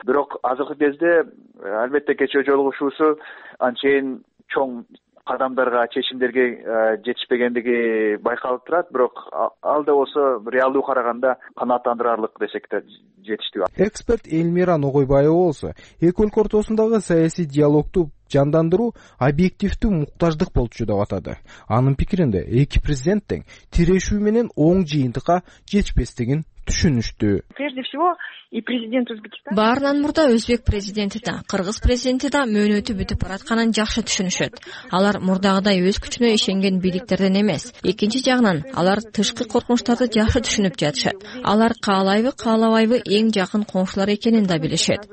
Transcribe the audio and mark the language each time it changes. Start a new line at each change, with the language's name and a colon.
Kyrgyz: Бирок азыркы кезде албетте кечээ жолугушуусу анчейин чоң кадамдарга, чечимдерге жетишпегендиги байкалып турат, бирок ал да болсо реалдуу караганда канааттандыраарлык десек да жетишти. Эксперт Элмира Ногойбаева болсо, эки өлкө ортосундагы саясий диалогду жандандыруу объективдүү муктаждык болчу деп атады. Анын пикиринде эки президент тең тирешүү менен оң жыйынтыкка жетишпестигин түшүнүштү.
Russian: Прежде всего, и президент Узбекистана.
Kyrgyz: Баарынан мурда өзбек президенти да, кыргыз президенти да мөөнөтү бүтүп баратканын жакшы түшүнүшөт. Алар мурдагыдай өз күчүнө ишенген бийликтерден эмес. Экинчи жагынан, алар тышкы коркунучтарды жакшы түшүнүп жатышат. Алар каалайбы, каалабайбы эң жакын коңшулар экенин да билишет.